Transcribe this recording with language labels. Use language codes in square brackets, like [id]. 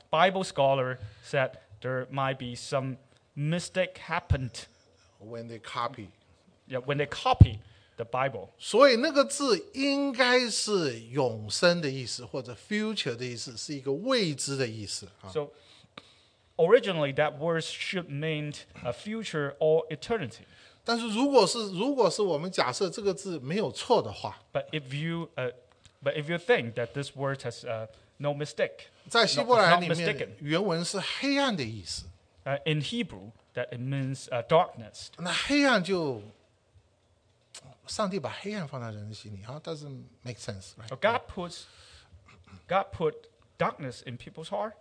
[en] Bible scholar said there might be some mistake happened when they copy. Yeah, when they copy the Bible. [zh] 所以那个字应该是永生的意思，或者 future 的意思，是一个未知的意思。 [en] So originally that word should mean a future or eternity. [zh] 但是如果是我们假设这个字没有错的话 [en] But if you think that this word has no mistake. [zh] 在希伯来里面，原文是黑暗的意思。 [en] In Hebrew, that it means darkness. [zh] 那黑暗就，上帝把黑暗放在人的心里，哈 ， [en] doesn't make sense, right? God put darkness in people's heart.